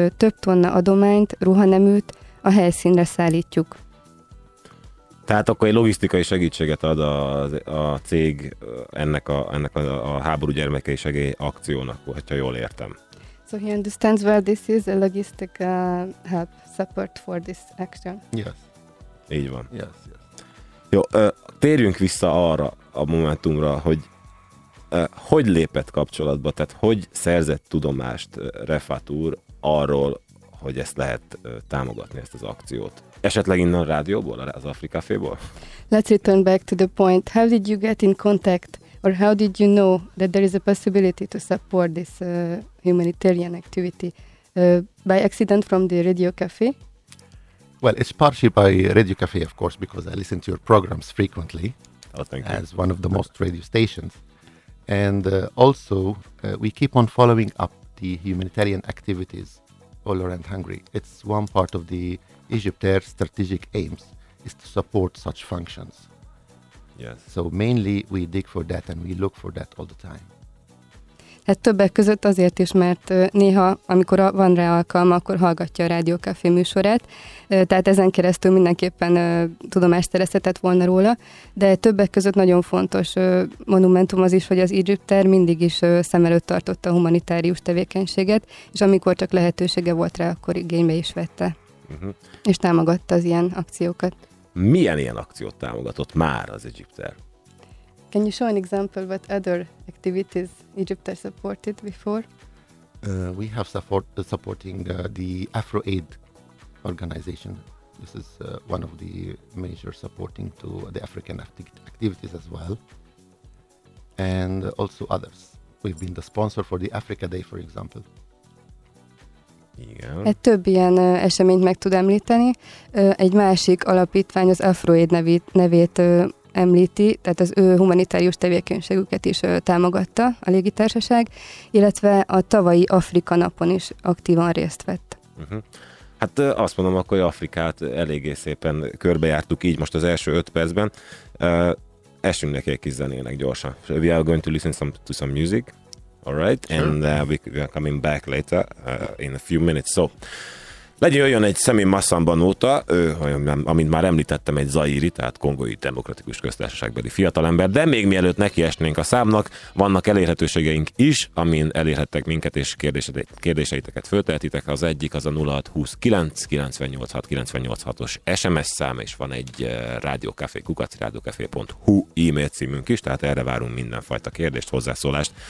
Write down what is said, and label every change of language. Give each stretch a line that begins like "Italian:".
Hungarian: több tonna adományt, ruhaneműt a helyszínre szállítjuk. Tehát akkor egy logisztikai segítséget ad a cég ennek a háború gyermekei segély akciónak, hogyha jól értem.
English: So he understands where this is a logistic help support for this action. Yes.
Hungarian: Így van.
English: Yes, yes.
Hungarian: Jó, térjünk vissza arra a momentumra, hogy hogy lépett kapcsolatba, tehát hogy szerzett tudomást Refat úr arról, hogy ezt lehet támogatni, ezt az akciót. Esetleg innen a rádióból, az Afrika Féből?
English: Let's return back to the point. How did you get in contact, or how did you know that there is a possibility to support this humanitarian activity? By accident from the Radio Café? Well, it's partially by Radio Café, of course, because I listen to your programs frequently. Oh, thank you. As one of the most radio stations. And also, we keep on following up the humanitarian activities all around Hungary. It's one part of the Egyptair strategic aims, is to support such functions. Yes. So mainly we dig for that and we look for that all the time.
Hungarian: Hát többek között azért is, mert néha, amikor van rá alkalma, akkor hallgatja a Rádió Café műsorát, tehát ezen keresztül mindenképpen tudomást szerezhetett volna róla, de többek között nagyon fontos monumentum az is, hogy az Egyiptair mindig is szem előtt tartotta a humanitárius tevékenységet, és amikor csak lehetősége volt rá, akkor igénybe is vette, és támogatta az ilyen akciókat. Milyen ilyen akciót támogatott már az Egyiptair?
English: Can you show an example what other activities Egypt has supported before? We have supporting the AfroAid organization. This is one of the major supporting to the African activities as well. And also others. We've been the sponsor for the Africa Day, for example.
Hungarian: Igen. Egy több ilyen eseményt meg tud említeni. Egy másik alapítvány az AfroAid nevét említi, tehát az ő humanitárius tevékenységüket is támogatta a légitársaság, illetve a tavalyi Afrika napon is aktívan részt vett. Hát azt mondom akkor, hogy Afrikát eléggé szépen körbejártuk így most az első 5 percben. Esünk neki egy kis zenének gyorsan.
English: So we are going to listen to some music, alright? Sure. And we are coming back later in a few minutes.
Hungarian: So, legyen olyan egy Sami Massamba nóta, ő, amint már említettem, egy zairi, tehát kongói demokratikus köztársaságbeli fiatalember, de még mielőtt nekiesnénk a számnak, vannak elérhetőségeink is, amin elérhettek minket, és kérdéseiteket föltehetitek. Az egyik az a 0629986986-os SMS szám, és van egy radiokafe@radiokafe.hu e-mail címünk is, tehát erre várunk mindenfajta kérdést, hozzászólást.